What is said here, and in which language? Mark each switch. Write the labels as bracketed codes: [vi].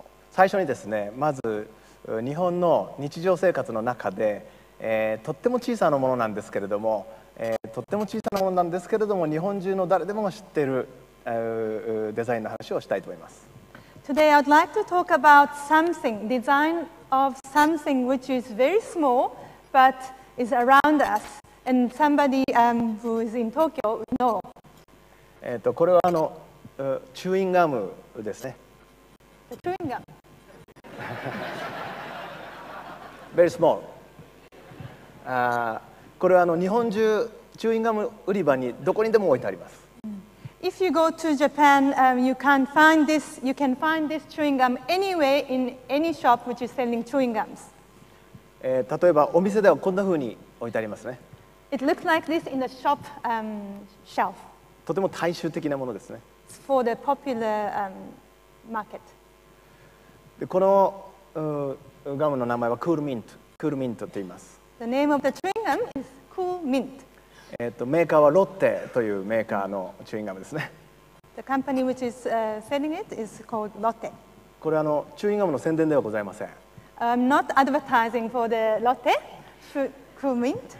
[ja] 最初にですね、まず日本の日常生活の中で、とっても小さなものなんですけれども、とっても小さなものなんですけれども、日本中の誰でも知っているデザインの話をしたいと思います。 [en] Today I'd like to talk about something, design of something which is very small. But is around us, and somebody who is in Tokyo would know. [ja] これはチューインガムですね。 [en] The chewing gum. Very small. [ja] これは日本中チューインガム売り場にどこにでも置いてあります。 [en] If you go to Japan, you can find this chewing gum anywhere in any shop which is selling chewing gums. [ja] 例えばお店ではこんな風に置いてありますね。 [en] It looks like this in the shop, shelf. [ja] とても大衆的なものですね。 [en] It's for the popular, market. [ja] でこのガムの名前はクールミント、クールミントと言います。 [en] The name of the chewing gum is Cool Mint. [ja] メーカーはロッテというメーカーのチューインガムですね。 [en] The company which is, selling it is called Lotte. [ja] これはチューインガムの宣伝ではございません。 [en] I'm not advertising for the Lotte Cool Mint.